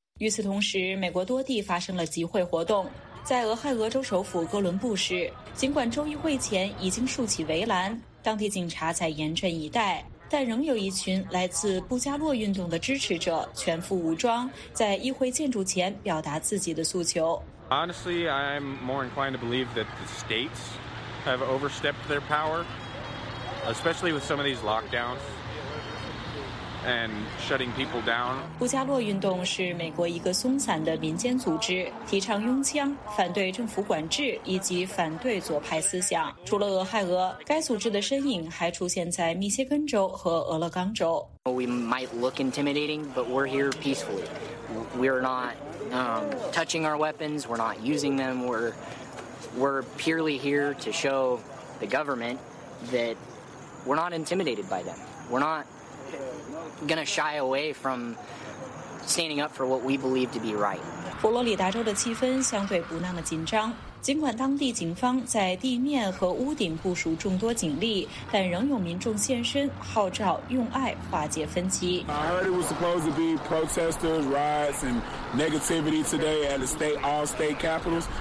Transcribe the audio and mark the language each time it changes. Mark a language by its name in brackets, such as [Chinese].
[Chinese] 与此同时，美国多地发生了集会活动。在俄亥俄州首府哥伦布时，尽管州议会前已经竖起围栏，当地警察在严阵以待，但仍有一群来自布加洛运动的支持者全副武装在议会建筑前表达自己的诉求。 [English] Honestly, I'm more inclined to believe that the states have overstepped their power, especially with some of these lockdowns and shutting people down. [Chinese] 布加洛运动是美国一个松散的民间组织，提倡拥枪、反对政府管制以及反对左派思想。除了俄亥俄，该组织的身影还出现在密歇根州和俄勒冈州。 [English] We might look intimidating, but we're here peacefully. We're not touching our weapons. We're not using them. We're purely here to show the government that we're not intimidated by them. We're not. Gonna shy away from standing up for what we believe to be right. [Chinese] 佛罗里达州的气氛相对不那么紧张，尽管当地警方在地面和屋顶部署众多警力，但仍有民众现身号召用爱化解分歧。 [English] I heard it was supposed to be protesters, riots, and negativity today at the state all state capitals.